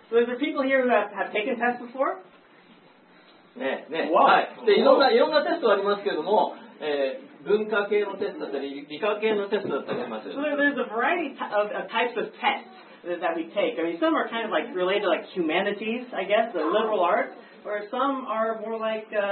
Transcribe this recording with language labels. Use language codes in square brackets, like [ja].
[en] ？So is there people here who have taken tests before？ね、 Why？ [ja] はい。で、いろんなテストありますけれども、文化系のテストだったり、理科系のテストだったりします。 [en] So there's a variety of types of tests that we take. I mean, some are kind of like related to like humanities, I guess, the liberal arts, or some are more like